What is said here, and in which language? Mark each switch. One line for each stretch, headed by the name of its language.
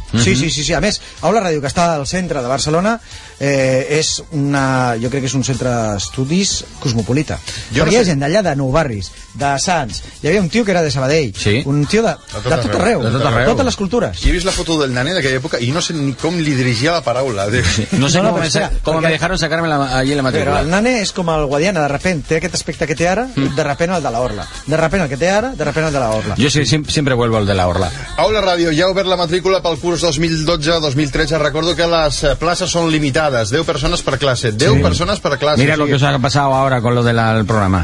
Catalan: Sí. A més, Aula Ràdio, que està al centre de Barcelona, és una... jo crec que és un centre d'estudis cosmopolita. Hi ha gent d'allà, de Nou Barris, de Sants. Hi havia un tio que era de Sabadell. Sí. Un tio de tot arreu. De tot arreu. Totes les cultures. I he vist la foto del nane d'aquella època i no sé ni com li dirigia la paraula.
Spanish: No sé com me dejaron sacarme allí la matrícula.
Catalan: Però el nane és com el Guadiana, de repente té aquest aspecte que té ara, de repente el de la Orla. De repente el que té ara, de repente el de la Orla. Jo sí, sempre vuelvo al de la Orla. Aula Ràdio, ja ha obert la matrícula pel curs 2012-2013. Recordo que les places són limitades. 10 persones per classe. 10 sí. persones per classe.
Spanish: Mira lo que os ha pasado ahora con lo del programa.